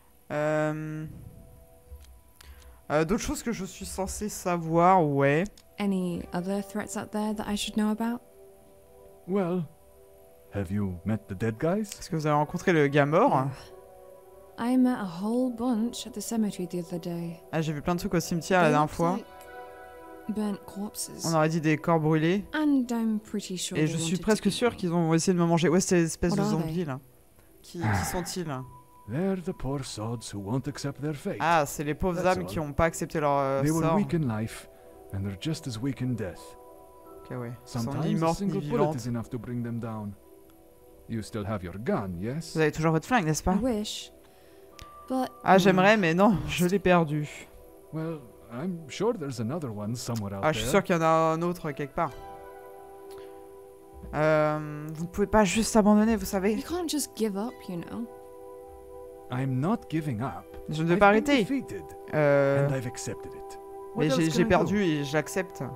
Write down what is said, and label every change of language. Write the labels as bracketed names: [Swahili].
[French] D'autres choses que je suis censé savoir, ouais. [English] Any other threats out there that I should know about? Well, have you met the dead guys? [French] Est-ce que vous avez rencontré le gars mort? [English] I met a whole bunch at the cemetery the other day. [French] Ah, j'ai vu plein de trucs au cimetière la dernière fois. [English] Like burnt corpses. [French] On aurait dit des corps brûlés. [English] And I'm pretty sure. [French] Et je suis presque sûr qu'ils ont essayé de me manger. Ouais, c'est espèce de zombies là. Qui sont-ils? [English] They're the poor sods who won't accept their fate. [French] Ah, c'est les pauvres âmes qui n'ont pas accepté leur sort. [English] They were weak in life, and they're just as weak in death. [French] Okay, ouais. [English] Sometimes a single bullet is enough to bring them down. You still have your gun, yes? [French] Vous avez toujours votre flingue, n'est-ce pas? [English] I wish, but [French] j'aimerais, mais non, je l'ai perdu. [English] Well, I'm sure there's another one somewhere out there. [French] Je suis sûr qu'il y en a un autre quelque part. Vous ne pouvez pas juste abandonner, vous savez. [English] You can't just give up, you know. I'm not giving up. [French] Je ne vais pas arrêter. [English] And I've accepted it. [French] Mais j'ai perdu et j'accepte.